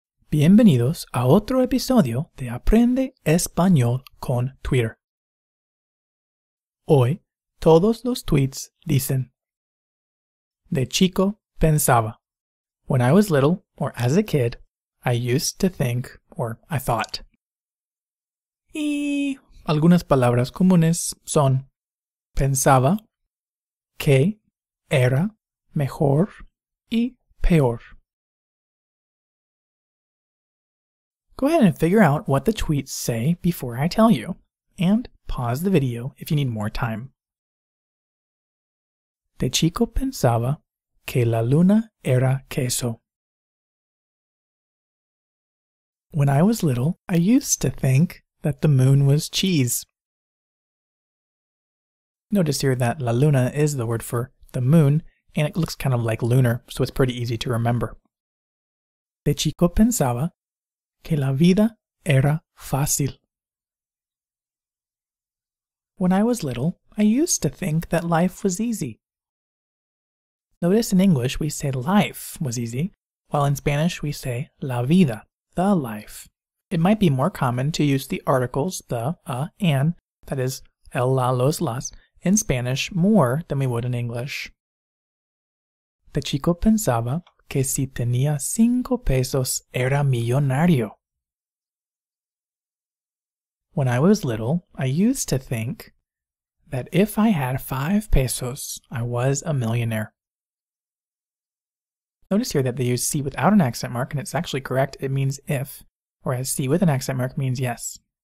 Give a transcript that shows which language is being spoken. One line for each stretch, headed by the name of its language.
Spanish: Bienvenidos a otro episodio de Aprende Español con Twitter. Hoy, todos los tweets dicen: De chico pensaba.
English: When I was little, or as a kid, I used to think, or I thought.
Spanish: Y algunas palabras comunes son: pensaba, que era mejor y peor.
English: Go ahead and figure out what the tweets say before I tell you, and pause the video if you need more time.
Spanish: De chico pensaba que la luna era queso.
English: When I was little, I used to think that the moon was cheese. Notice here that
Spanish: la luna
English: is the word for the moon, and it looks kind of like lunar, so it's pretty easy to remember.
Spanish: De chico pensaba que la vida era fácil.
English: When I was little, I used to think that life was easy. Notice in English we say life was easy, while in Spanish we say
Spanish: la vida,
English: the life. It might be more common to use the articles the, a, an, that is,
Spanish: el, la, los, las,
English: in Spanish more than we would in English.
Spanish: De chico pensaba que si tenía cinco pesos era millonario.
English: When I was little, I used to think that if I had 5 pesos, I was a millionaire. Notice here that they use C without an accent mark, and it's actually correct. It means if, whereas C with an accent mark means yes.